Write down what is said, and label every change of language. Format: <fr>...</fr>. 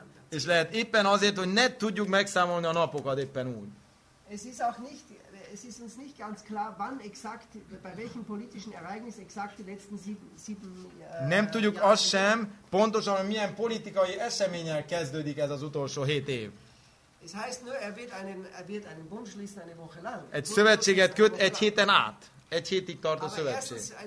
<hu>És lehet éppen azért, hogy ne tudjuk megszámolni a napokat éppen úgy.</hu> <de>Es ist auch nicht, es ist uns nicht ganz klar, wann exakt, bei welchem politischen Ereignis exakt die letzten sieben</de> <hu>nem tudjuk azt sem, pontosan, hogy milyen politikai eseménnyel kezdődik ez az utolsó hét év.</hu> <de>Es heißt nur, er wird einen Bund schließen eine Woche lang.</de> <hu>Egy szövetséget köt egy héten át. Egy hétig tart a szövetség.</hu>